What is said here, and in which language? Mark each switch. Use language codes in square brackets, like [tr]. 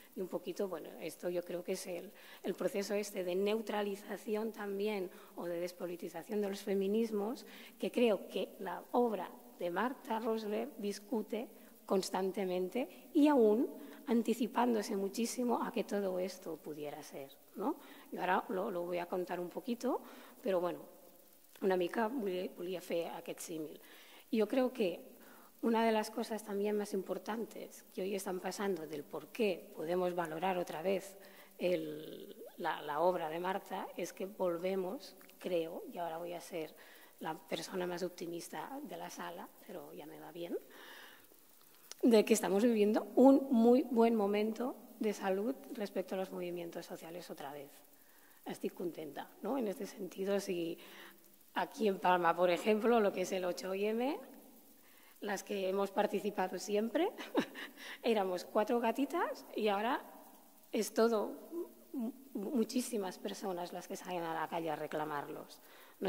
[es] Y un poquito, bueno, esto yo creo que es el proceso este de neutralización también o de despolitización de los feminismos, que creo que la obra de Marta Rosler discute constantemente y aún anticipándose muchísimo a que todo esto pudiera ser, ¿no? Y ahora lo voy a contar un poquito, pero bueno, [ca] una mica volia fer aquest símil. Jo crec que una de les coses també més importants que avui estan passant del per què podem valorar [es] otra vez la obra de Marta [ca] és que [es] volvemos, creo, [ca] i ara [es] voy a ser [ca] la persona més optimista de la sala, però ja [es] me va bien, de que estamos viviendo un muy buen momento de salud respecto a los movimientos sociales otra vez. Estoy contenta, ¿no? En este sentido, si aquí en Palma, por ejemplo, lo que es el 8M, las que hemos participado siempre, éramos cuatro gatitas y ahora es todo muchísimas personas las que salen a la calle a reclamarlos, ¿no?